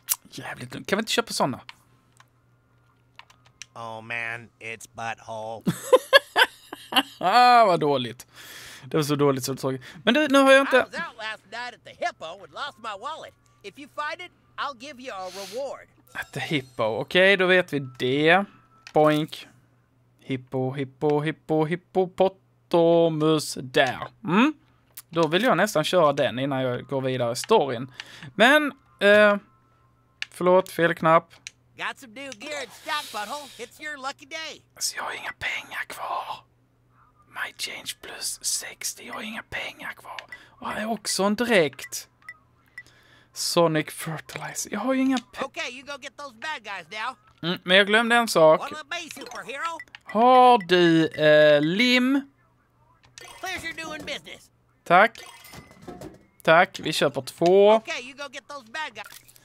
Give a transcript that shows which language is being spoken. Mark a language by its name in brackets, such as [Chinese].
[Swedish] Jävligt dumt. Kan vi inte köpa såna? [English] Oh man, it's butthole. [Swedish] Ah, vad dåligt. Det var så dåligt som såg. Men nu har jag inte... [English] I was out last night at the hippo and lost my wallet. If you find it, I'll give you a reward. At the hippo. [Swedish] Okej, okay, då vet vi det. Boink. [English] Hippo, hippo, hippo, hippopotamus. Där. Mm. [Swedish] Då vill jag nästan köra den innan jag går vidare i storyn. Men, förlåt, fel knapp. [English] Got some new gear in stock, butthole. It's your lucky day. [Swedish] Alltså, jag har inga pengar kvar. [English] My change plus 60. [Swedish] Jag har inga pengar kvar. Och jag är också en dräkt. Sonic Fertilizer. Jag har ju inga pengar. [English] Okay, you go get those bad guys now. [Swedish] Mm, men jag glömde en sak. Har du lim? [English] Pleasure doing business. [Swedish] Tack. Tack, vi köper två. [English] Okay, you go get those bad guys.